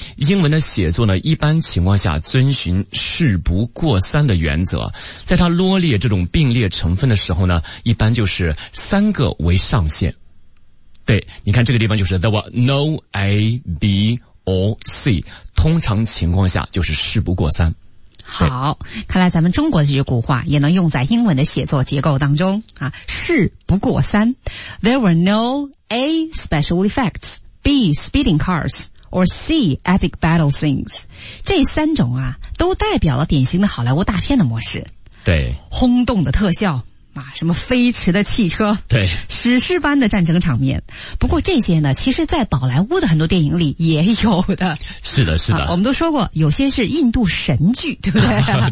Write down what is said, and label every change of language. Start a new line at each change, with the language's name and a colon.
Chinese: 英文的写作呢，一般情况下遵循事不过三的原则，在它罗列这种并列成分的时候呢，一般就是三个为上限。对，你看这个地方就是
English: There were no A, B or C，
Chinese: 通常情况下就是事不过三。好，看来咱们中国这句古话也能用在英文的写作结构当中啊。事不过三，
English: There were no A special effects, B speeding cars, or C epic battle scenes。
Chinese: 这三种啊，都代表了典型的好莱坞大片的模式。对，轰动的特效啊，什么飞驰的汽车，对，史诗般的战争场面。不过这些呢，其实在宝莱坞的很多电影里也有的。是的是的、啊、我们都说过有些是印度神剧，对不对？